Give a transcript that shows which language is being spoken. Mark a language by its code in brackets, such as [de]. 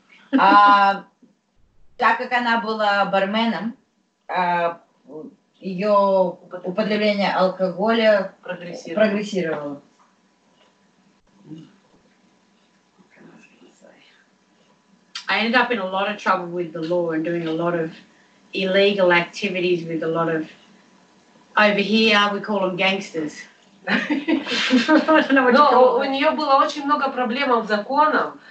[ru] Так как она была барменом, ее употребление алкоголя прогрессировало. [en] I ended up in a lot of trouble with the law and doing a lot of illegal activities with a lot of, over here we call them gangsters. [ru] Но у нее было очень много проблем с законом.